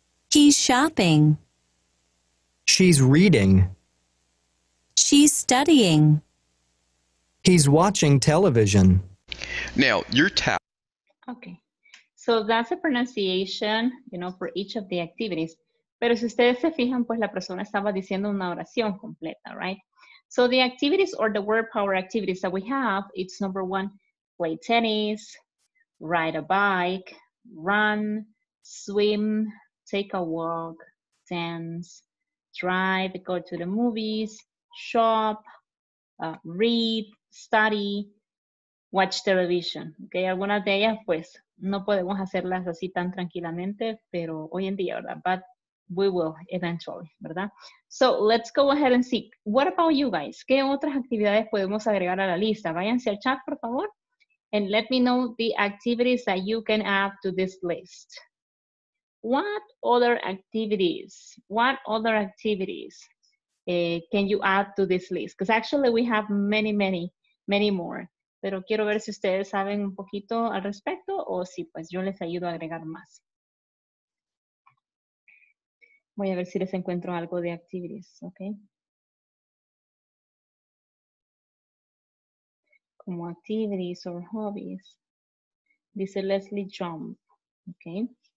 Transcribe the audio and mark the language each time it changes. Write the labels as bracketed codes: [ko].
[en] He's shopping. She's reading. She's studying. He's watching television. Now, your task. Okay. So that's the pronunciation, you know, for each of the activities. [es] Pero si ustedes se fijan, pues la persona estaba diciendo una oración completa, [en] right? So the activities or the word power activities that we have, it's number one, play tennis, ride a bike, run, swim, take a walk, dance, drive, go to the movies, shop, read, study, watch television. [es] Okay, algunas de ellas, pues, no podemos hacerlas así tan tranquilamente, pero hoy en día, ¿verdad? [en] But we will eventually, [es] ¿verdad? [en] So, let's go ahead and see. What about you guys? [es] ¿Qué otras actividades podemos agregar a la lista? Váyanse al chat, por favor, [en] and let me know the activities that you can add to this list. What other activities? What other activities? Can you add to this list? Because actually we have many, many, many more. [es] Pero quiero ver si ustedes saben un poquito al respecto o si pues yo les ayudo a agregar más. Voy a ver si les encuentro algo de activities, okay? Como [en] activities or hobbies. [es] Dice [en] Leslie Jump, okay?